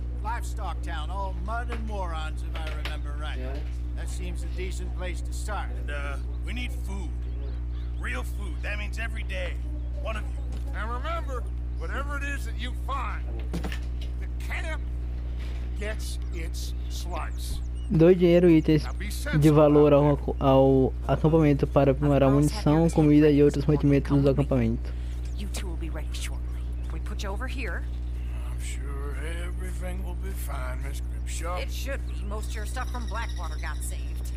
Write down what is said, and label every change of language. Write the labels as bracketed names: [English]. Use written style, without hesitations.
[English] Livestock town, all mud and morons, if I remember right. Yeah. That seems a decent place to start. And, we need food. Real food. That means every day, one of you. And remember, whatever it is that you find, the camp gets its slice. [Portuguese] Dois dinheiro e itens de valor ao acampamento para aprimorar munição, comida e outros mantimentos do acampamento. [English] You two will be ready shortly. We put you over here. I'm sure everything will be fine, Miss Grimshaw. It should be. Most of your stuff from Blackwater got saved.